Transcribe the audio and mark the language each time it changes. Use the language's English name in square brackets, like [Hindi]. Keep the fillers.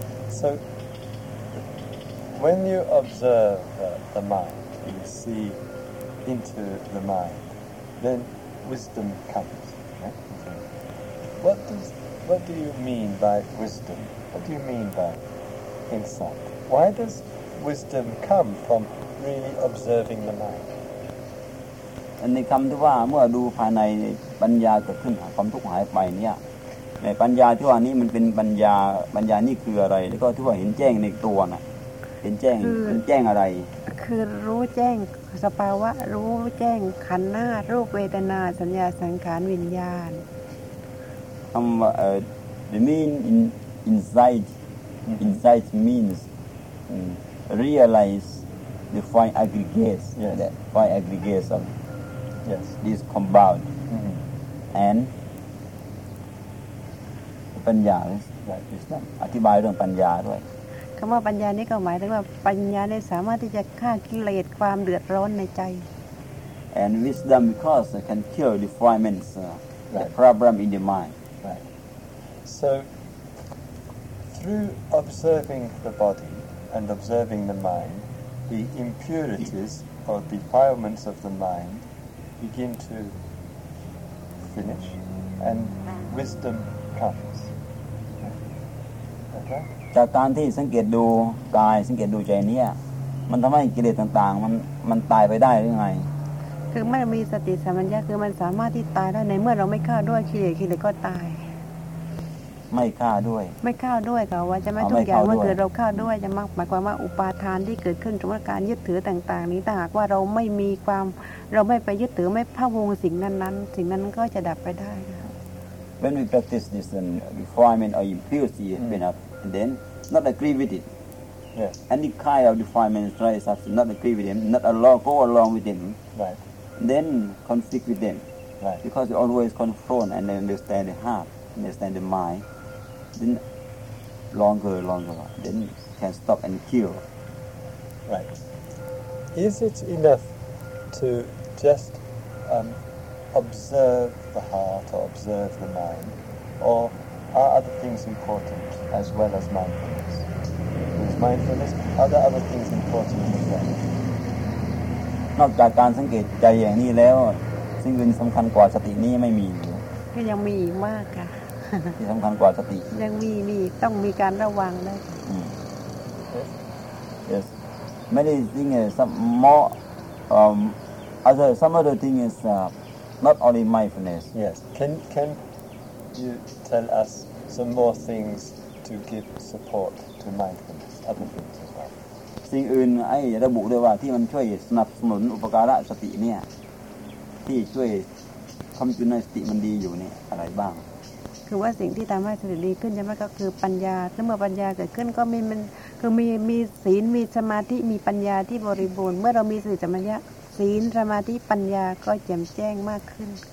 [English] So, when you observe uh, the mind, you see into the mind, then wisdom comes. right? What does what do you mean by wisdom? What do you mean by insight? Why does wisdom come from really observing the mind? [Thai] อันในคำที่ว่าเมื่อดูภายในปัญญาเกิดขึ้นหาความทุกข์หายไปเนี่ยในปัญญาที่ว่านี้มันเป็นปัญญาปัญญานี่คืออะไร แล้วก็ที่ว่าเห็นแจ้งในตัวนะเห็นแจ้ง คือ เห็นแจ้งอะไร คือรู้แจ้งสภาวะ รู้แจ้งขันธ์หน้ารูปเวทนาสัญญาสังขารวิญญาณ [English] um, uh, the mean in, inside inside means mm, realize the five aggregates Yes. the five aggregates of Yes. this compound Mhm. and ปัญญา Right. Wisdom. [Thai] อธิบายเรื่องปัญญาด้วย คำว่าปัญญานี่ก็หมายถึงว่าปัญญาได้สามารถที่จะฆ่ากิเลสความเดือดร้อนในใจ [English] and wisdom because it can cure defilements, uh, the Right. problem in the mind. Right. So, through observing the body and observing the mind, the impurities or defilements of the mind begin to finish, and wisdom comes. Right? Okay? [Thai] จากการที่สังเกตดูกายสังเกตดูใจเนี่ยมันทำให้กิเลสต่างๆ มันมันตายไปได้หรือไง คือไม่มีสติสัมปชัญญะคือมันสามารถที่ตายได้ในเมื่อเราไม่ฆ่าด้วยกิเลสกิเลสก็ตาย ไม่ฆ่าด้วย ไม่ฆ่าด้วยค่ะว่าจะไม่ อ๋อ ทุกอย่าง ไม่ ว่า เกิดเราฆ่าด้วยจะมากหมายความว่าอุปาทานที่เกิดขึ้นจากการยึดถือต่างๆ นี้ถ้าหากว่าเราไม่มีความเราไม่ไปยึดถือไม่พะวงสิ่งนั้นๆ สิ่งนั้นก็จะดับไปได้ค่ะ [English] When we practice this and defilement or impurity has been up, and then not agree with it. Yes, Any kind of defilement rise up, not agree with them, not allow, go along with them, right, then conflict with them. right. because you always confront and understand the heart, understand the mind, then longer, longer, then can stop and cure. Right. Is it enough to just um, observe the heart or observe the mind, or are other things important as well as mindfulness? With mindfulness, are there other things important as well? [Thai] นอกจากการสังเกตใจอย่างนี้แล้ว ซึ่งเป็นสำคัญกว่าสตินี้ไม่มีอยู่ ก็ยังมีอีกมากค่ะ ที่สำคัญกว่าสติ ยังมีมีอีกต้องมีการระวังด้วย อืม [English] Yes. yes many thing is some more um other some other thing is uh, not only mindfulness Yes. Can can you tell us some more things to give support to mindfulness? Other things as well. [Thai] สิ่งอื่นไอ้ระบุด้วยว่าที่มันช่วยสนับสนุนอุปการะสติเนี่ย ที่ช่วยทำจุนในสติมันดีอยู่เนี่ยอะไรบ้าง คือว่าสิ่งที่ทำให้สติดีขึ้นใช่ไหมก็คือปัญญาแล้วเมื่อปัญญาเกิดขึ้นก็มีมันคือมีมีศีลมีสมาธิมีปัญญาที่บริบูรณ์เมื่อเรามีสติสัมปชัญญะศีลสมาธิปัญญาก็แจ่มแจ้งมากขึ้น